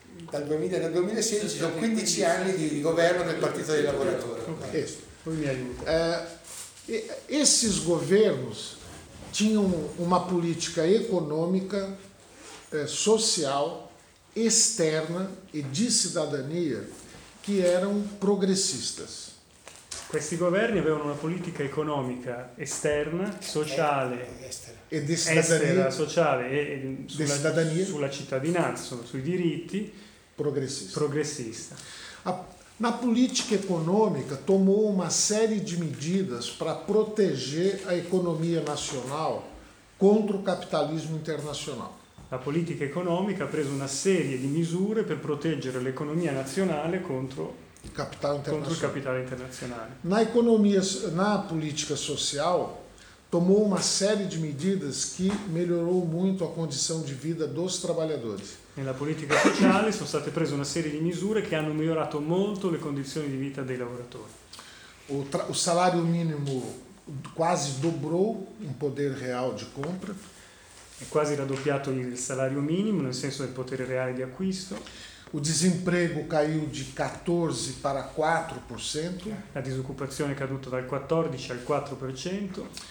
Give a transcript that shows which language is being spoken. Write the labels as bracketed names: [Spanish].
[Italian] Dal 2016 ci sono 15 anni di governo del Partito dei Lavoratori. Ok, poi mi aiuta. [Portuguese] Esses governos tinham uma política econômica, social, externa e de cidadania que eram progressistas. [Italian] Questi governi avevano una politica economica esterna, sociale e di cittadinanza, sociale e sulla cittadinanza, sulla cittadinanza, sui diritti progressista. [Portuguese] Na política econômica tomou uma série de medidas para proteger a economia nacional contra o capitalismo internacional. [Italian] La politica economica ha preso una serie di misure per proteggere l'economia nazionale contro il capitale internazionale. [Portuguese] Na economia, na política social, tomou uma série de medidas que melhorou muito a condição de vida dos trabalhadores. [Italian] Nella politica sociale sono state prese una serie di misure che hanno migliorato molto le condizioni di vita dei lavoratori. [Portuguese] O salário mínimo quase dobrou em poder real de compra. [Italian] È quasi raddoppiato il salario minimo, nel senso del potere reale di acquisto. [Portuguese] O desemprego caiu de 14 para 4%. A desocupação [Italian] é caduta dal 14 ao 4%.